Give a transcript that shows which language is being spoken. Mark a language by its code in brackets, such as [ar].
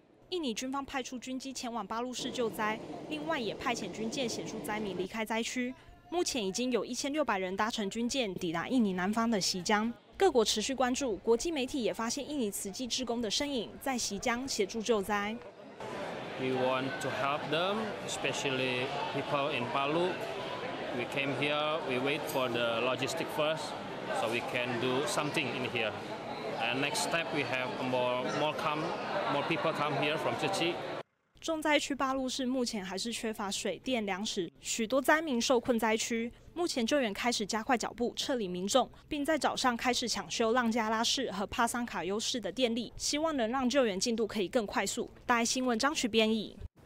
[zh] 印尼军方派出军机前往巴路市救灾，另外也派遣军舰协助灾民离开灾区。目前已经有1600人搭乘军舰抵达印尼南方的西江，各国持续关注，国际媒体也发现印尼慈济志工的身影在西江协助救灾。 [en] We want to help them, especially people in Palu. We came here, we wait for the logistic first, so we can do something in here. And next step, we have more people come here from Chichi. [zh] 重灾区巴路市目前还是缺乏水电粮食，许多灾民受困灾区。目前救援开始加快脚步撤离民众，并在早上开始抢修浪加拉市和帕桑卡优市的电力，希望能让救援进度可以更快速。大爱新闻张曲编译。